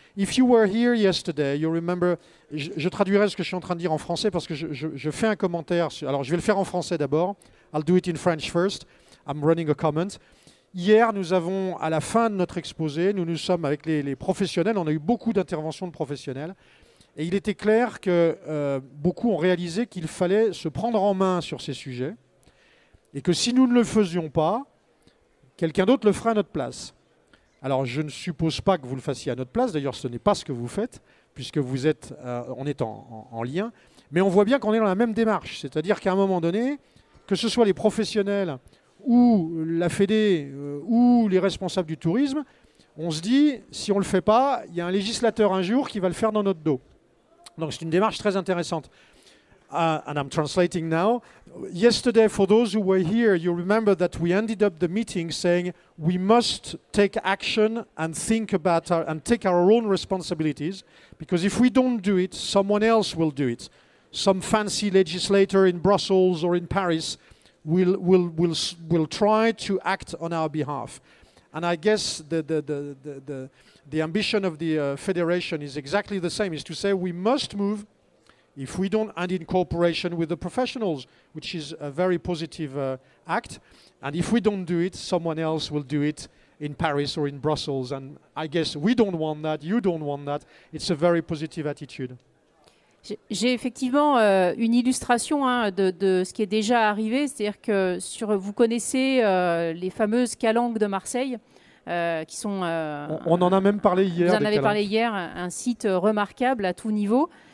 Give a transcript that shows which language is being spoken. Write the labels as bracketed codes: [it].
[en] If you were here yesterday, you remember. [fr] Je traduirai ce que je suis en train de dire en français parce que je fais un commentaire. Alors, je vais le faire en français d'abord. [en] I'll do it in French first. I'm running a comment. [fr] Hier, nous avons, à la fin de notre exposé, nous sommes avec les professionnels. On a eu beaucoup d'interventions de professionnels. Et il était clair que beaucoup ont réalisé qu'il fallait se prendre en main sur ces sujets. Et que si nous ne le faisions pas, quelqu'un d'autre le ferait à notre place. Alors, je ne suppose pas que vous le fassiez à notre place. D'ailleurs, ce n'est pas ce que vous faites, puisque vous êtes, on est en lien. Mais on voit bien qu'on est dans la même démarche. C'est-à-dire qu'à un moment donné, que ce soit les professionnels ou la Fédé ou les responsables du tourisme, on se dit, si on ne le fait pas, il y a un législateur un jour qui va le faire dans notre dos. Donc, c'est une démarche très intéressante. [en] And I'm translating now. Yesterday, for those who were here, you remember that we ended up the meeting saying we must take action and think about and take our own responsibilities, because if we don't do it, someone else will do it. Some fancy legislator in Brussels or in Paris will try to act on our behalf. And I guess the ambition of the federation is exactly the same, is to say we must move. If we don't, and in cooperation with the professionals, which is a very positive act, and if we don't do it, someone else will do it in Paris or in Brussels. And I guess we don't want that, you don't want that. It's a very positive attitude. [fr] J'ai effectivement une illustration hein, de ce qui est déjà arrivé. C'est-à-dire que vous connaissez les fameuses calanques de Marseille qui sont... On en a même parlé hier. Vous en avez parlé hier, un site remarquable à tout niveau.